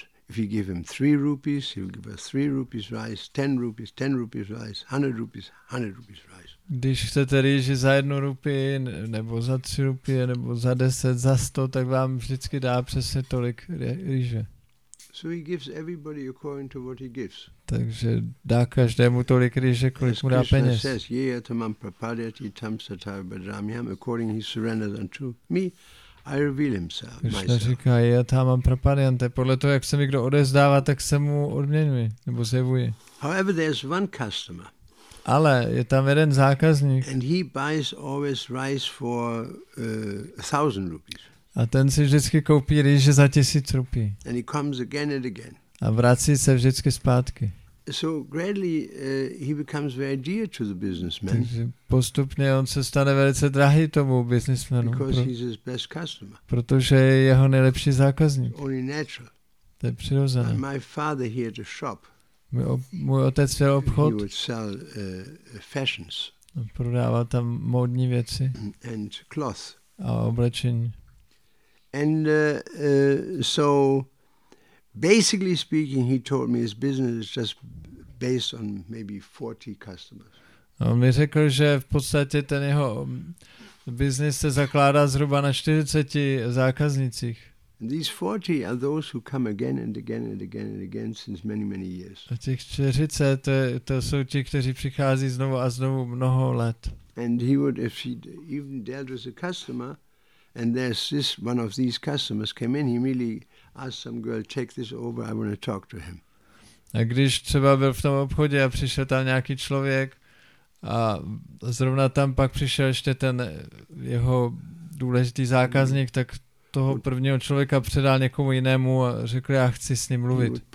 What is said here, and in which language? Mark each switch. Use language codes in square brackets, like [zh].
[en] If you give him 3 rupees, he will give us 3 rupees rice. 10 rupees, 10 rupees rice. 100 rupees, 100 rupees rice. [cs] Když chcete rýži za 1 rupii, nebo za 3 rupie, nebo za 10, za 100, tak vám vždycky dá přesně tolik rýže. [en] So he gives everybody according to what he gives. [cs] Takže dá každému tolik rýže, kolik mu dá peněz. [en] As Krishna says, [sa] yeyatamam prapadyati tam satav badramyam, [en] according he surrenders unto me, I reveal himself, myself. [cs] Krishna říká, [sa] yeyatamam prapadyante, [cs] podle toho, jak se mi kdo odezdává, tak se mu odměňuji, nebo zjevuji. [en] However, there's one customer. [cs] Ale je tam jeden zákazník. [en] And he buys always rice for 1,000 rupees. [cs] A ten si vždycky koupí rýže za 1,000 rupí. [en] And he comes again and again. [cs] A vrací se vždycky zpátky. [en] So gradually he becomes very dear to the businessman. [cs] Takže postupně on se stane velice drahý tomu businessmanu. [en] Because he's his best customer. [cs] Protože je jeho nejlepší zákazník. [en] Only natural. [cs] To je přirozené. [en] And my father here at a shop. [cs] Můj otec měl obchod. [en] He would sell fashions. [cs] Prodával tam módní věci. [en] And cloth. [cs] A oblečení. [en] And so basically speaking, he told me his business is just based on maybe 40 customers. [cs] On mi řekl, že v podstatě ten jeho business se zakládá zhruba na 40 zákaznicích. [en] And these 40 are those who come again and again and again and again since many, many years. [cs] A těch 40, to jsou ti, kteří přichází znovu a znovu mnoho let. [en] And he would, if he even dealt with a customer, and there's this one of these customers came in, he really asked some girl, take this over, I want to talk to him. [cs] A když třeba byl v tom obchodě a přišel tam nějaký člověk a zrovna tam pak přišel ještě ten jeho důležitý zákazník, tak toho prvního člověka předal někomu jinému a řekl, já chci s ním mluvit.